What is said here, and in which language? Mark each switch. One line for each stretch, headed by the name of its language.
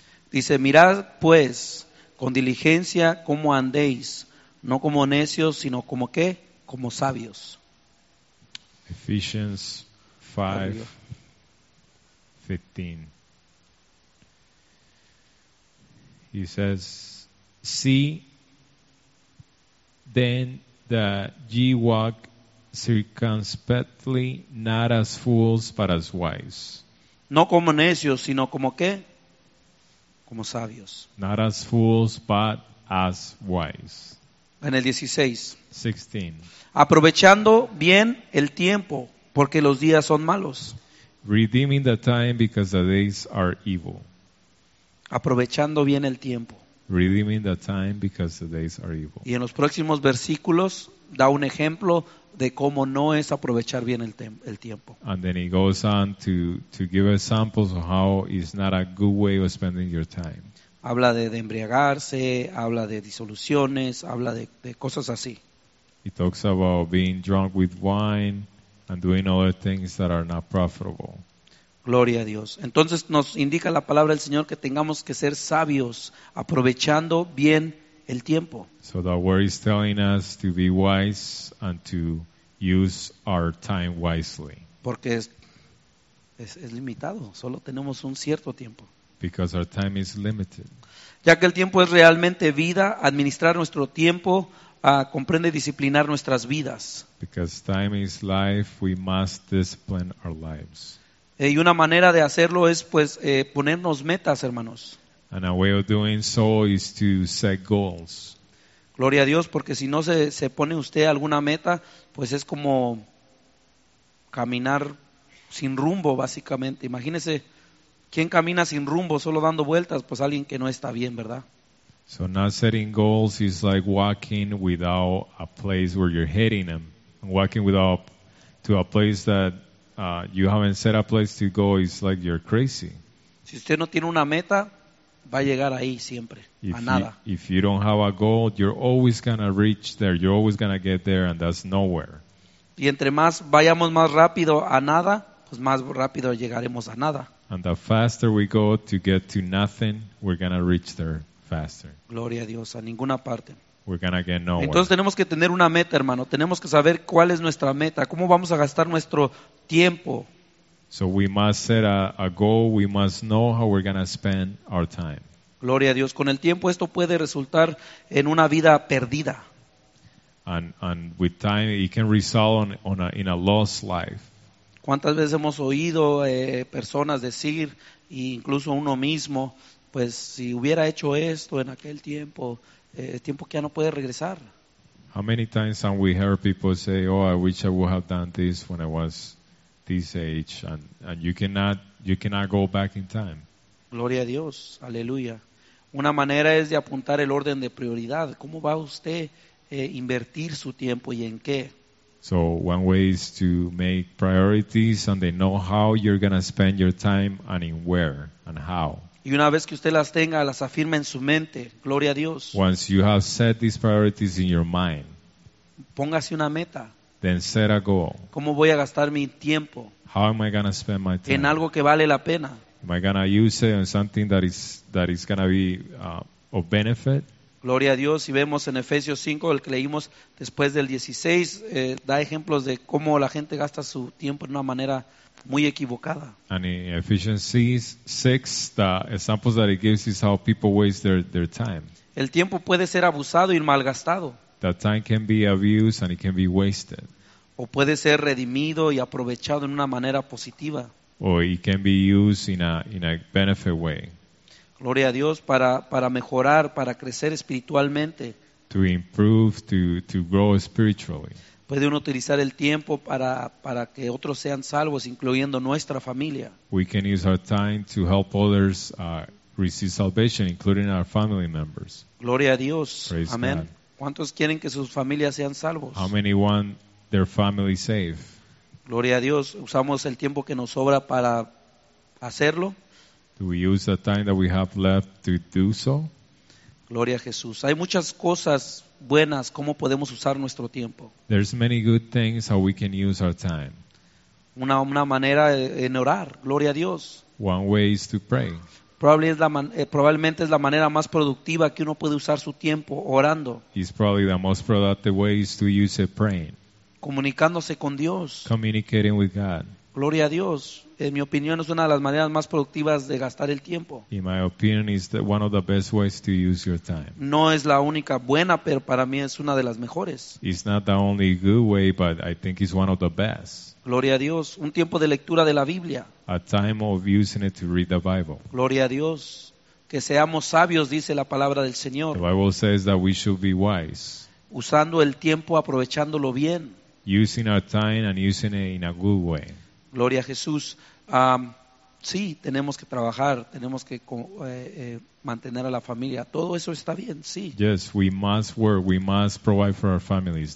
Spanish: Dice, mirad pues con diligencia cómo andéis, no como necios, sino como qué, como sabios.
English: Ephesians 5:15. He says, see then that ye walk circumspectly, not as fools, but as wise.
Spanish: No como necios, sino como qué? Como sabios.
English: Not as fools, but as wise.
Spanish: En el 16.
English: 16.
Spanish: Aprovechando bien el tiempo, porque los días son malos.
English: Redeeming the time because the days are evil.
Spanish: Aprovechando bien el tiempo.
English: Redeeming the time because the days are evil.
Spanish: Y en los próximos versículos da un ejemplo de cómo no es aprovechar bien el tiempo.
English: And then he goes on to give examples of how it's not a good way of spending your time.
Spanish: Habla de embriagarse, habla de disoluciones, habla de cosas así.
English: He talks about being drunk with wine and doing other things that are not profitable.
Spanish: Gloria a Dios. Entonces nos indica la palabra del Señor que tengamos que ser sabios aprovechando bien el tiempo.
English: So the word is telling us to be wise and to use our time wisely.
Spanish: Porque es limitado, solo tenemos un cierto tiempo.
English: Because our time is limited.
Spanish: Ya que el tiempo es realmente vida, administrar nuestro tiempo comprende disciplinar nuestras vidas.
English: Because time is life, we must discipline our lives.
Spanish: Y una manera de hacerlo es pues ponernos metas, hermanos.
English: And a way of doing so is to set goals.
Spanish: Gloria a Dios, porque si no se pone usted alguna meta, pues es como caminar sin rumbo, básicamente. Imagínese, ¿quién camina sin rumbo, solo dando vueltas? Pues alguien que no está bien, ¿verdad?
English: So not setting goals is like walking without a place where you're heading them. Walking without to a place that you haven't set a place to go is like you're crazy.
Spanish: Si usted no tiene una meta, va a llegar ahí siempre,
English: if
Spanish: a nada.
English: If you don't have a goal, you're always gonna reach there. You're always gonna get there, and that's nowhere.
Spanish: Y entre más vayamos más rápido a nada, pues más rápido llegaremos a nada.
English: And the faster we go to get to nothing, we're gonna reach there faster.
Spanish: Gloria a Dios, a ninguna parte.
English: We're gonna get nowhere.
Spanish: Entonces tenemos que tener una meta, hermano. Tenemos que saber cuál es nuestra meta. ¿Cómo vamos a gastar nuestro tiempo?
English: So we must set a goal. We must know how we're gonna spend our time.
Spanish: Gloria a Dios. Con el tiempo esto puede resultar en una vida perdida.
English: And with time it can result in a lost life.
Spanish: ¿Cuántas veces hemos oído personas decir, e incluso uno mismo, pues si hubiera hecho esto en aquel tiempo, el tiempo que ya no puede regresar?
English: How many times have we heard people say, oh, I wish I would have done this when I was this age, and you cannot go back in time.
Spanish: Gloria a Dios, aleluya. Una manera es de apuntar el orden de prioridad. ¿Cómo va usted invertir su tiempo y en qué.
English: So one way is to make priorities and they know how you're going to spend your time and in where and how.
Spanish: Y una vez que usted las tenga, las afirme en su mente. Gloria a Dios.
English: Once you have set these priorities in your mind,
Spanish: póngase una meta.
English: Then set a goal.
Spanish: ¿Cómo voy a gastar mi tiempo?
English: How am I going to spend my time?
Spanish: En algo que vale la pena.
English: Am I going to use it on something that is going to be of benefit?
Spanish: Gloria a Dios. Y vemos en Efesios 5, el que leímos después del 16, da ejemplos de cómo la gente gasta su tiempo de una manera muy equivocada.
English: And in Ephesians 6, the examples that it gives is how people waste their time.
Spanish: El tiempo puede ser abusado y malgastado.
English: The time can be abused and it can be wasted.
Spanish: O puede ser redimido y aprovechado en una manera positiva.
English: Or it can be used in a benefit way.
Spanish: Gloria a Dios, para mejorar, para crecer espiritualmente.
English: To improve, to grow spiritually.
Spanish: Puede uno utilizar el tiempo para que otros sean salvos, incluyendo nuestra familia.
English: We can use our time to help others receive salvation, including our family members.
Spanish: Gloria a Dios.
English: Praise
Spanish: Amén.
English: God.
Spanish: ¿Cuántos quieren que sus familias sean salvos?
English: How many want their family safe?
Spanish: Gloria a Dios. Usamos el tiempo que nos sobra para hacerlo.
English: Do we use the time that we have left to do so?
Spanish: Gloria a Jesús. Hay muchas cosas buenas cómo podemos usar nuestro tiempo.
English: There's many good things how we can use our time.
Spanish: Una manera en orar. Gloria a Dios.
English: One way is to pray.
Spanish: Probablemente es la manera más productiva que uno puede usar su tiempo orando.
English: It's probably the most productive way is to use it praying.
Spanish: Comunicándose con Dios.
English: Communicating with God.
Spanish: Gloria a Dios. En mi opinión, es una de las maneras más productivas de gastar el tiempo.
English: In my opinion, is one of the best ways to use your time.
Spanish: No es la única buena, pero para mí es una de las mejores.
English: It's not the only good way, but I think it's one of the best.
Spanish: Gloria a Dios. Un tiempo de lectura de la Biblia.
English: A time of using it to read the Bible.
Spanish: Gloria a Dios. Que seamos sabios, dice la palabra del Señor.
English: The Bible says that we should be wise.
Spanish: Usando el tiempo, aprovechándolo bien.
English: Using our time and using it in a good way.
Spanish: Gloria a Jesús. Sí, tenemos que trabajar, tenemos que mantener a la familia. Todo eso está bien, sí.
English: Yes, we must work, we must provide for our families.